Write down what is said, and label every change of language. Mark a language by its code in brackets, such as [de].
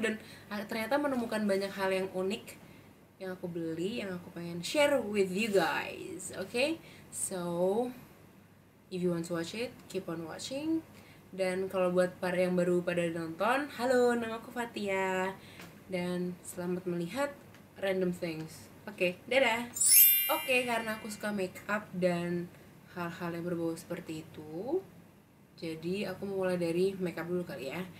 [id] Dan ternyata menemukan banyak hal yang unik yang aku beli, yang aku pengen [en] share with you guys. [id] Okay? [en] So, if you want to watch it, keep on watching. [id] Dan kalau buat para yang baru pada nonton, halo, nama aku Fatya. Dan selamat melihat random things. Okay, dadah. Okay, karena aku suka make up dan hal-hal yang berbau seperti itu, jadi aku mulai dari make up dulu kali ya.